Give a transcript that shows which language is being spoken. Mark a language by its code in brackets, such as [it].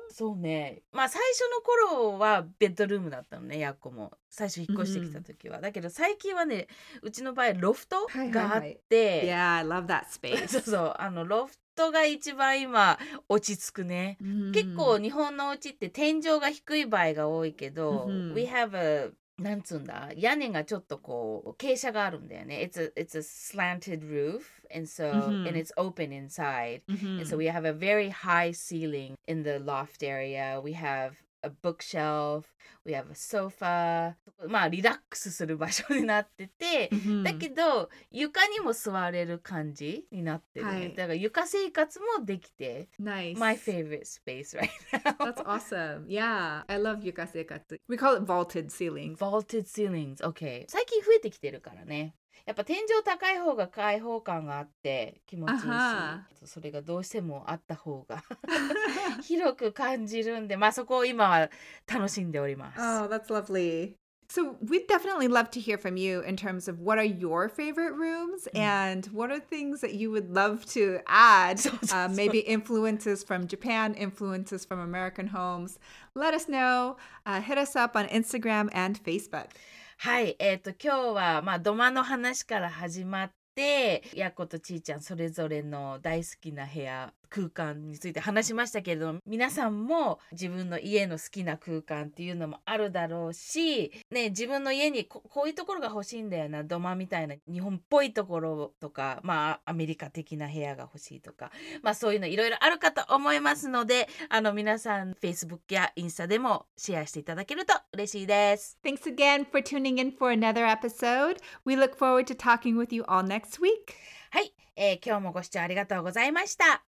[ja] そうね。まあ最初の頃はベッドルームだったのね、ヤッコも。最初引っ越してきた時は。だけど最近はね、うちの場合ロフトがあって。 [en] Yeah, I love that space. [ja] そうそう、あのロフト。人が一番今落ち着くね。結構日本のお家って天井が低い場合が多いけど、 [en] We have a, [ja] なんつうんだ、屋根がちょっとこう傾斜があるんだよね。 [en] It's a slanted roof and so and it's open inside. And so we have a very high ceiling in the loft area. We have a bookshelf. We have a sofa. [ja] まあリラックスする場所になってて、だけど床にも座れる感じになってる、ね。だから床生活もできて。 [en] Nice. My favorite space right now. That's awesome. Yeah. I love [ja] 床生活。 [en] We call it vaulted ceilings. Vaulted ceilings. Okay. [ja] 最近増えてきてるからね。やっぱ天井高い方が開放感があって気持ちいいし、uh-huh. それがどうしてもあった方が広く感じるんで、まあそこを今は楽しんでおります。 [en] Oh, that's lovely. So we'd definitely love to hear from you in terms of what are your favorite rooms and what are things that you would love to add, maybe influences from Japan, influences from American homes. Let us know. Hit us up on Instagram and Facebook. [ja] はい、今日は、まあ、土間の話から始まって、ヤコとちーちゃんそれぞれの大好きな部屋、空間について話しましたけれども、皆さんも自分の家の好きな空間っていうのもあるだろうし、ね、自分の家にこういうところが欲しいんだよな、土間みたいな日本っぽいところとか、まあ、アメリカ的な部屋が欲しいとか、まあ、そういうのいろいろあるかと思いますので、皆さん、Facebook やインスタでもシェアしていただけると嬉しいです。 [en] Thanks again for tuning in for another episode. We look forward to talking with you all next week. [ja] はい、今日もご視聴ありがとうございました。